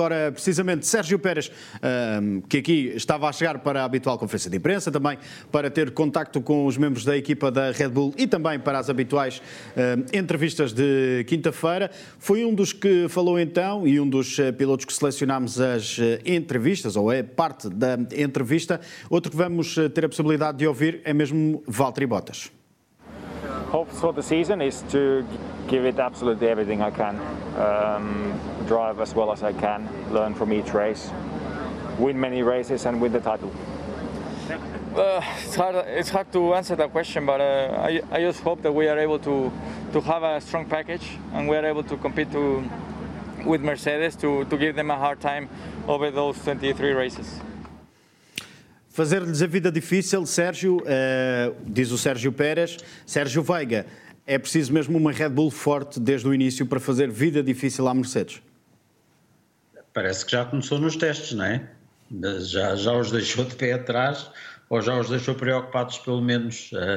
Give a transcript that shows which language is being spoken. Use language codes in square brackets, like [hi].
[pt] Ora, precisamente, Sérgio Pérez, que aqui estava a chegar para a habitual conferência de imprensa, também para ter contacto com os membros da equipa da Red Bull e também para as habituais entrevistas de quinta-feira, foi um dos que falou então e um dos pilotos que selecionámos as entrevistas, ou é parte da entrevista. Outro que vamos ter a possibilidade de ouvir é mesmo Valtteri Bottas. [en] Hopes for the season is to give it absolutely everything I can, drive as well as I can, learn from each race, win many races and win the title. It's hard to answer that question, but I just hope that we are able to have a strong package and we are able to compete with Mercedes to give them a hard time over those 23 races. [pt] Fazer-lhes a vida difícil, Sérgio, diz o Sérgio Pérez. Sérgio Veiga, é preciso mesmo uma Red Bull forte desde o início para fazer vida difícil à Mercedes? Parece que já começou nos testes, não é? Já os deixou de pé atrás ou já os deixou preocupados, pelo menos.